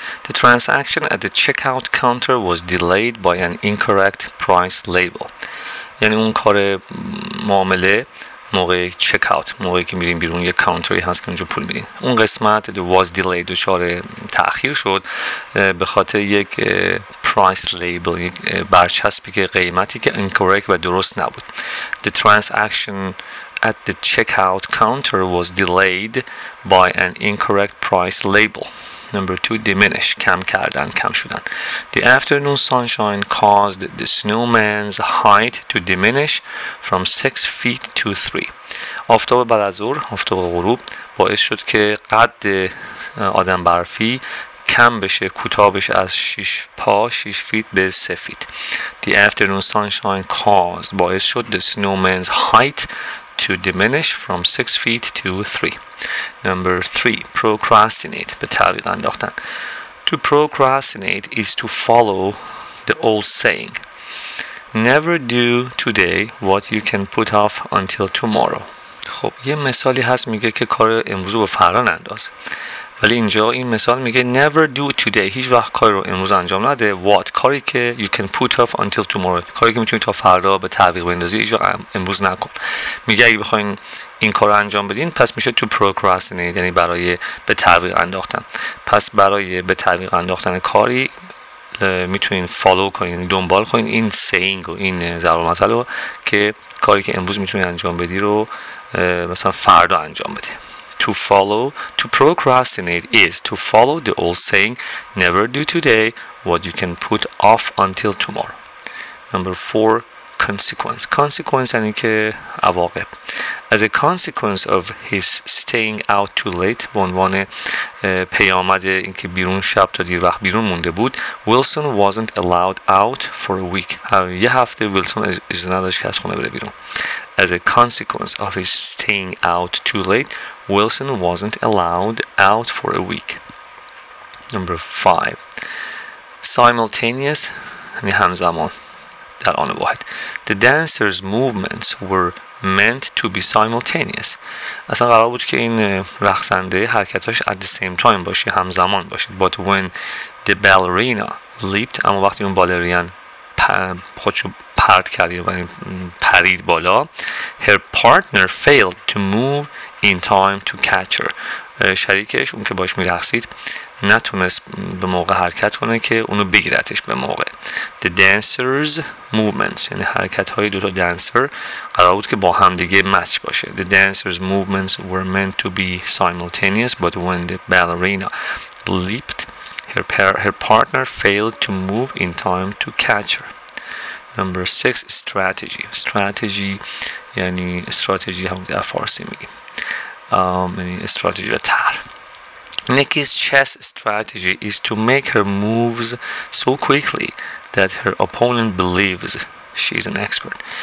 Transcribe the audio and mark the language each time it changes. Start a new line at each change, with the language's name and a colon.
English: The transaction at the checkout counter was delayed by an incorrect price label.
Persian: یعنی اون کار معامله موقع checkout، موقعی که میریم بیرون یه کانتری هست که اونجا پول میدین، اون قسمت
English: was delayed،
Persian: دچار تأخیر شد به خاطر یک
English: price label،
Persian: یک برچسبی که قیمتی که incorrect و درست نبود.
English: The transaction at the checkout counter was delayed by an incorrect price label. Number two, diminish.
Persian: کم کردن، کم شدن.
English: The afternoon sunshine caused the snowman's height to diminish from 6 feet to 3.
Persian: آفتاب بعد از ظهر، آفتاب غروب، باعث شد که قد آدم برفی کم بشه، کوتاه بشه از 6 پا 6 فیت به 3 فیت.
English: The afternoon sunshine caused،
Persian: باعث شد
English: the snowman's height to diminish from 6 feet to 3. Number 3.
Persian: Procrastinate. به تعویق انداختن.
English: To procrastinate is to follow the old saying. Never do today what you can put off until tomorrow.
Persian: خب یه مثالی هست میگه که کار امروز رو به فردا ننداز. ولی اینجا این مثال میگه
English: never do today،
Persian: هیچ وقت کار رو امروز انجام نده. What؟ کاری که
English: you can put off until tomorrow،
Persian: کاری که میتونی تا فردا به تعویق بندازی، هیچ وقت امروز نکن. میگه اگه بخواین این کار رو انجام بدین پس میشه
English: to procrastinate،
Persian: یعنی برای به تعویق انداختن. پس برای به تعویق انداختن کاری میتونین follow کنین، دنبال کنین این saying و این ضرب المثل رو که کاری که امروز میتونی انجام بدی رو مثلا فردا انجام بده.
English: To procrastinate is to follow the old saying, never do today what you can put off until tomorrow. Number 4, consequence. Consequence
Persian: یعنی که عواقب.
English: As a consequence of his staying out too late،
Persian: به عنوان پیامد اینکه بیرون شب تا دیر وقت بیرون مونده بود،
English: Wilson wasn't allowed out for a week.
Persian: یه هفته ویلسون اجازه نداشت که از خونه بره بیرون.
English: As a consequence of his staying out too late، Wilson wasn't allowed out for a week. Number 5.
Persian: Simultaneous یعنی همزمان، در آن واحد.
English: The dancers' movements were meant to be simultaneous.
Persian: اصلا قرار بود که این رقصنده حرکتاش
English: at the same time
Persian: باشه، همزمان باشه.
English: But when the ballerina leaped،
Persian: اما وقتی اون بالرین خودشو پرت کرد و پرید بالا،
English: her partner failed to move in time to catch her.
Persian: شریکش، اون که باش میرقصید، نتونست به موقع حرکت کنه که اونو بگیرتش به موقع.
English: The dancers' movements،
Persian: یعنی حرکت های دوتا دانسر قرار بود که با هم دیگه مچ باشه.
English: The dancers' movements were meant to be simultaneous, but when the ballerina leaped, her partner failed to move in time to catch her. Number 6, strategy.
Persian: Strategy یعنی استراتژی، همون در فارسی میگیم. یعنی استراتژی و تر.
English: Nikki's chess strategy is to make her moves so quickly that her opponent believes she's an expert.